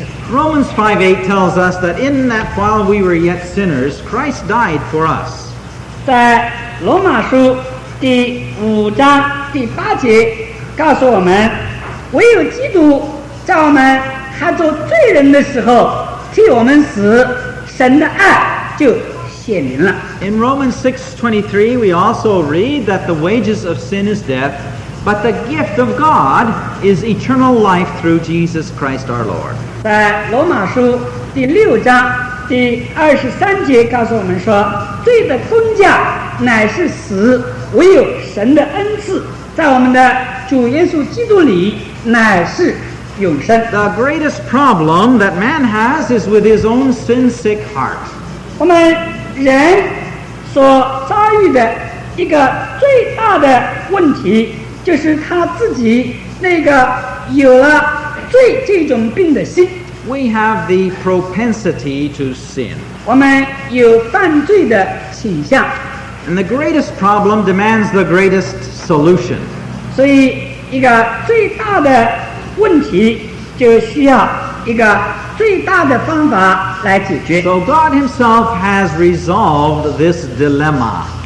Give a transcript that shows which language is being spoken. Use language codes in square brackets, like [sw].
[en] Romans 5:8 tells us that in that while we were yet sinners, Christ died for us. [zh] 在罗马书第五章第八节告诉我们，唯有基督在我们还做罪人的时候替我们死，神的爱就显明了。 [en] In Romans 6:23, we also read that the wages of sin is death, but the gift of God is eternal life through Jesus Christ our Lord. [zh] 在罗马书第六章第二十三节告诉我们说，罪的工价乃是死，唯有神的恩赐在我们的主耶稣基督里乃是永生。 [en] The greatest problem that man has is with his own sin-sick heart. [zh] 我们人所遭遇的一个最大的问题，就是他自己那个有了罪这种病的心。 [en] We have the propensity to sin. [zh] 我们有犯罪的倾向。 [en] And the greatest problem demands the greatest solution. [zh] 所以一个最大的问题就需要一个最大的方法来解决。 [en] So God himself has resolved this dilemma.